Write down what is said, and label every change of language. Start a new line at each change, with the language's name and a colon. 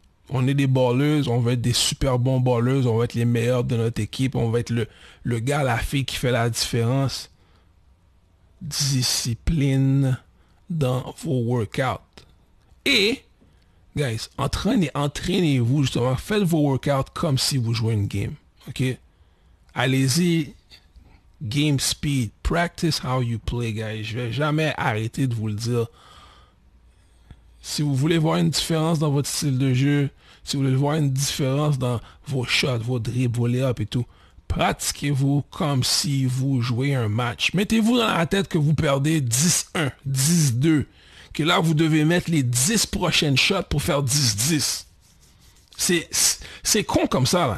French: On est des balleuses, on veut être des super bons balleuses, on veut être les meilleurs de notre équipe, on veut être le gars, la fille qui fait la différence. Discipline dans vos workouts. Et, guys, entraînez-vous justement. Faites vos workouts comme si vous jouez une game. OK? Allez-y,
English: game speed, practice how you play, guys.
French: Je vais jamais arrêter de vous le dire. Si vous voulez voir une différence dans votre style de jeu, si vous voulez voir une différence dans vos shots, vos dribbles, vos layups et tout, pratiquez-vous comme si vous jouez un match. Mettez-vous dans la tête que vous perdez 10-1, 10-2, que là vous devez mettre les 10 prochaines shots pour faire 10-10. C'est con comme ça, là.